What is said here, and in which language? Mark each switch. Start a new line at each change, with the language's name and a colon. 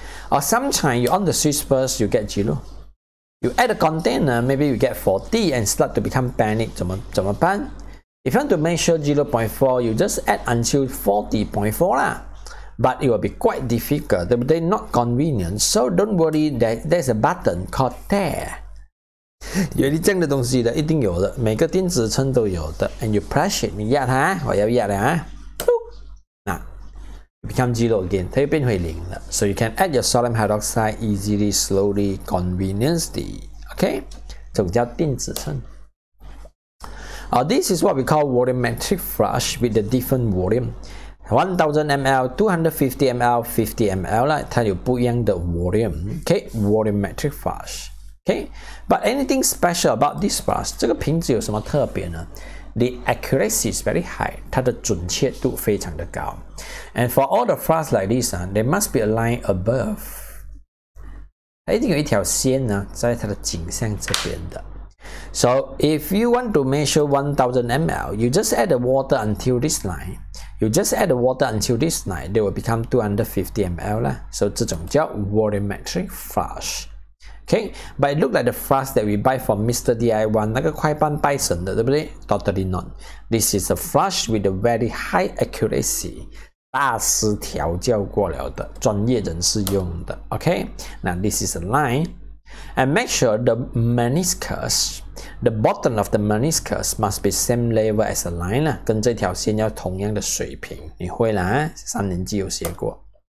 English: Or sometimes you on the switch first, you get 0. You add a container, maybe you get 40 and start to become panic,
Chinese: 怎么办？
English: If you want to measure 0.4, you just add until 40.4 lah. But it will be quite difficult,
Chinese: 对不对?
English: Not convenient. So don't worry, there's a button called there.
Chinese: 有你这样的东西的一定有的，每个电子秤都有的。
English: And you press it,
Chinese: 你压它，我要压了啊。
English: Now, it becomes 0 again,
Chinese: 它又变回零了。
English: So you can add your sodium hydroxide easily, slowly, conveniently. Okay?
Chinese: 这个叫电子秤。
English: This is what we call volumetric flush with the different volume.
Chinese: 1000 ml, 250 ml, 50 ml, 它有不一样的 volume.
English: Okay, volumetric flush. Okay, but anything special about this flush?
Chinese: 这个瓶子有什么特别呢？
English: The accuracy is very high.
Chinese: 它的准确度非常的高。
English: And for all the flush like this, they must be aligned above.
Chinese: 它一定有一条线呢，在它的颈项这边的。
English: So if you want to measure 1000 ml, you just add the water until this line. You just add the water until this line, they will become 250 ml 啦。 So
Chinese: 这种叫
English: volumetric flush. Okay, but it looks like the flush that we buy from Mr.
Chinese: DI1, 那个快半拜神的，对不对？
English: Totally not. This is a flush with a very high accuracy.
Chinese: 大师调教过了的，专业人士用的。
English: Okay, now this is a line. And make sure the meniscus, the bottom of the meniscus must be same level as the line,
Chinese: 跟这条线要同样的水平。你会啦，三年级有学过。